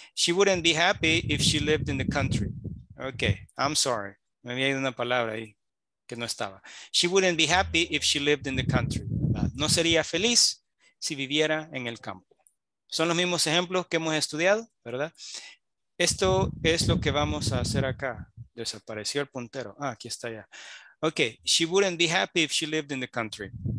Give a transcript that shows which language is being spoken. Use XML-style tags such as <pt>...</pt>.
<en>She wouldn't be happy if she lived in the country. Okay. I'm sorry.</en> <es>Me había ido una palabra ahí que no estaba.</es> <en>She wouldn't be happy if she lived in the country.</en> <es>No sería feliz si viviera en el campo. Son los mismos ejemplos que hemos estudiado, ¿verdad? Esto es lo que vamos a hacer acá. Desapareció el puntero. Ah, aquí está ya.</es> <en>Okay, she wouldn't be happy if she lived in the country.</en>